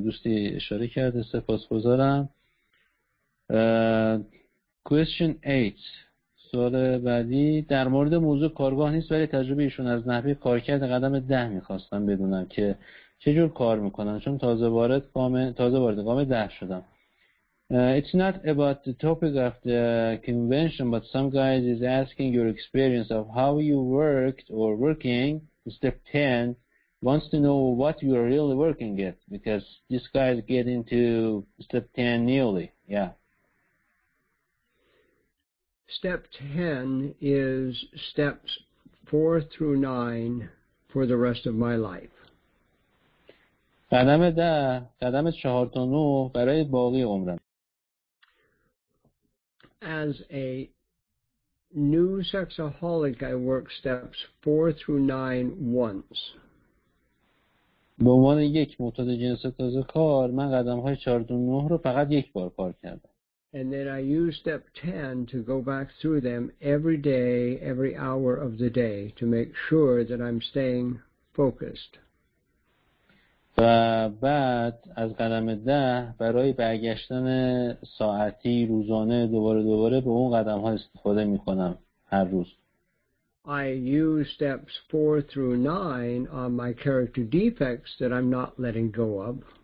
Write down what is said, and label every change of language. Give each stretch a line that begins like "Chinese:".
Persian: دوستی اشاره کرده، سپاسگزارم.
English: Question 8.
Persian: سوال بعدی در مورد موضوع کارگاه نیست، ولی تجربه ایشون از نحوه کارکرد قدم 10 میخواستم بدونم که چجور کار میکنن، چون تازه وارد گام 10 شدم.
English: It's not about the topic of the convention, but some guys is asking your experience of how you worked or working step 10. Wants to know what you are really working at, because this guy is getting to step 10 newly. Yeah. Step 10 is steps 4 through 9 for the rest of my life.
Persian: قدم 10، قدم 4 تا 9 برای باقی عمرم.
English: As a new sexaholic, I work steps 4 through 9 once.
Persian: به عنوان یک معتاد جنس تازه کار، من قدم های 4 تا 9 رو فقط یک بار کار کردم.
English: And then I use step 10 to go back through them every day, every hour of the day to make sure that I'm staying focused.
Persian: و بعد از قدم 10 برای برگشتن ساعتی روزانه دوباره به اون قدم ها استفاده می کنم هر روز.
English: I use steps 4 through 9 on my character defects that I'm not letting go of.